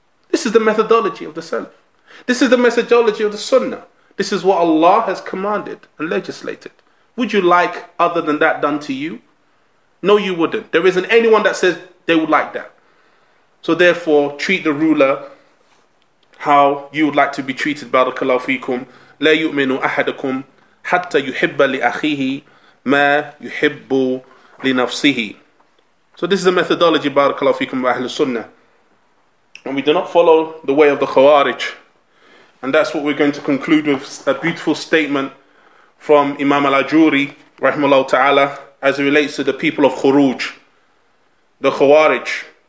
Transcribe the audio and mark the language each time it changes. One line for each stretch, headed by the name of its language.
English: This is the methodology of the Salaf. This is the methodology of the Sunnah. This is what Allah has commanded and legislated. Would you like other than that done to you? No, you wouldn't. There isn't anyone that says they would like that. So therefore, treat the ruler how you would like to be treated. Barakallahu feekum.
Arabic: لا يؤمن أحدكم حتى يحب لأخيه ما يحب لنفسه.
English: So this is a methodology, Barakallahu feekum, by Ahlul Sunnah. And we do not follow the way of the Khawarij. And that's what we're going to conclude with, a beautiful statement from Imam Al-Ajuri, rahimahullah ta'ala, as it relates to the people of Khuruj, the Khawarij.